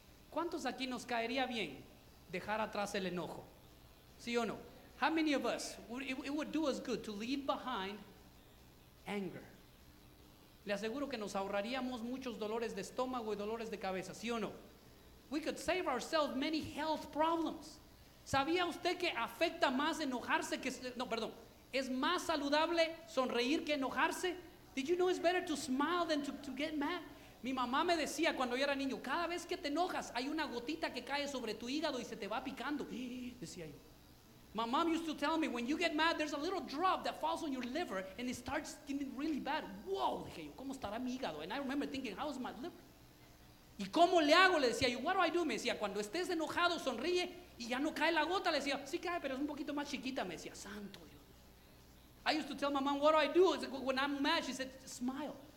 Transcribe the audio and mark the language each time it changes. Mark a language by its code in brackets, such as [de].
[es] ¿Cuántos aquí nos caería bien dejar atrás el enojo? ¿Sí o no? [en] How many of us, it would do us good to leave behind anger? [es] Le aseguro que nos ahorraríamos muchos dolores de estómago y dolores de cabeza, ¿sí o no? [en] We could save ourselves many health problems. [es] ¿Sabía usted que afecta más enojarse que... No, perdón. ¿Es más saludable sonreír que enojarse? [en] Did you know it's better to smile than to get mad? [es] Mi mamá me decía cuando yo era niño, cada vez que te enojas, hay una gotita que cae sobre tu hígado y se te va picando. Decía yo. [en] My mom used to tell me, when you get mad, there's a little drop that falls on your liver and it starts getting really bad. Wow, [es] dije yo, ¿cómo estará mi hígado? [en] And I remember thinking, how is my liver? [es] ¿Y cómo le hago? Le decía yo, [en] what do I do? [es] Me decía, cuando estés enojado, sonríe y ya no cae la gota. Le decía, sí cae, pero es un poquito más chiquita. Me decía, santo Dios. [en] I used to tell my mom, what do I do? It's like, when I'm mad, she said, smile.